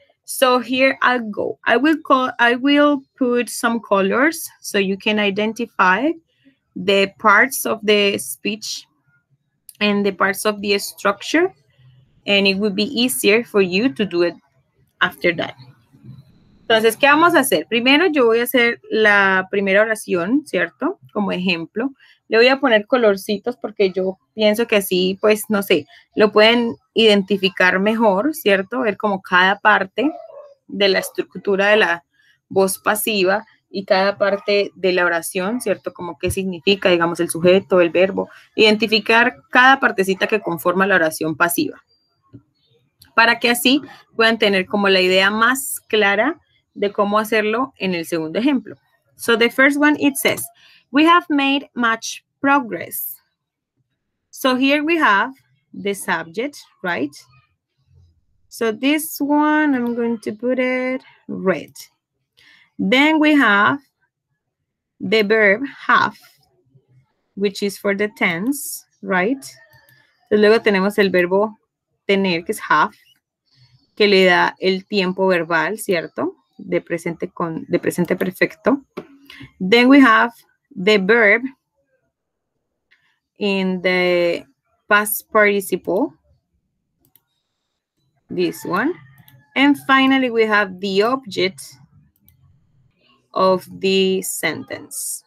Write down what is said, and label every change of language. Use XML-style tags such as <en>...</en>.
<en>So here I go. I will put some colors so you can identify the parts of the speech and the parts of the structure, and it will be easier for you to do it after that.</en> <es>Entonces, ¿qué vamos a hacer? Primero yo voy a hacer la primera oración, ¿cierto? Como ejemplo. Le voy a poner colorcitos porque yo pienso que así, pues, no sé, lo pueden identificar mejor, ¿cierto? Ver como cada parte de la estructura de la voz pasiva y cada parte de la oración, ¿cierto? Como qué significa, digamos, el sujeto, el verbo. Identificar cada partecita que conforma la oración pasiva. Para que así puedan tener como la idea más clara de cómo hacerlo en el segundo ejemplo.</es> <en>So the first one, it says, we have made much progress. So here we have the subject, right? So this one, I'm going to put it red. Then we have the verb have, which is for the tense, right?</en> <es>So luego tenemos el verbo tener, que es have, que le da el tiempo verbal, ¿cierto? De presente perfecto.</es> <en>Then we have the verb in the past participle, this one. And finally, we have the object of the sentence.</en>